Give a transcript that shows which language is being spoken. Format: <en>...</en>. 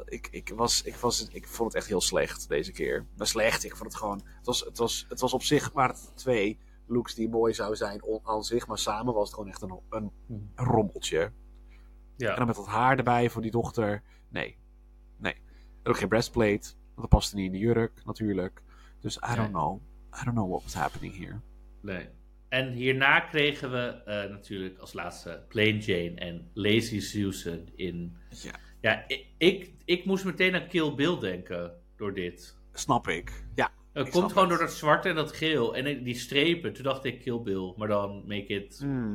<nl>Ik vond het echt heel slecht deze keer. Maar slecht, ik vond het gewoon... Het was op zich maar twee... looks die mooi zou zijn aan zich, maar samen was het gewoon echt een rommeltje. Ja. En dan met dat haar erbij voor die dochter. Nee. En ook geen breastplate, want dat paste niet in de jurk, natuurlijk.</nl> <en>Dus I don't know what was happening here.</en> <nl>Nee. En hierna kregen we natuurlijk als laatste Plain Jane en Lazy Susan in... Ja. Ja, ik moest meteen aan Kill Bill denken door dit. Snap ik, ja. Het komt gewoon door dat zwarte en dat geel. En die strepen. Toen dacht ik Kill Bill. Maar dan</nl> <en>make it...</en>